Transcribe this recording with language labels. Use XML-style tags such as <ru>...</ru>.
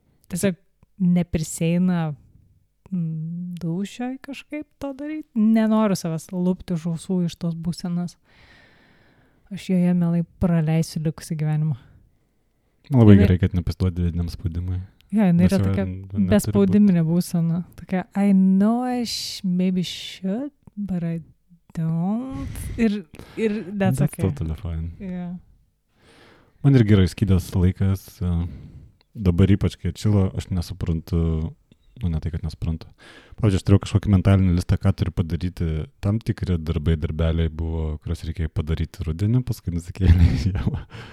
<lt>Tiesiog neprisėina dūšioj kažkaip to daryti. Nenoriu savęs lupti žausų iš tos būsenas. Aš joje mielai praleisiu likusį gyvenimą. Labai gerai, kad nepasiduoti vidiniam spaudimui. Jo, jinai yra tokia bespaudiminė būsena. Tokia,</lt> <en>I know I maybe should, but I don't.</en> <lt>Ir</lt> <en>that's okay. That's totally fine. Yeah.</en> <lt>Man irgi yra įskydęs laikas. Dabar ypač, kai atšilo, aš nesuprantu. Nu, ne tai, kad nesprantu. Pavyzdžiui, aš turėjau kažkokį mentalinį listą, ką turiu padaryti. Tam tikri darbai, darbeliai buvo, kurios reikėjo padaryti rudenį, paskui nusikėlė į jėlą.</lt>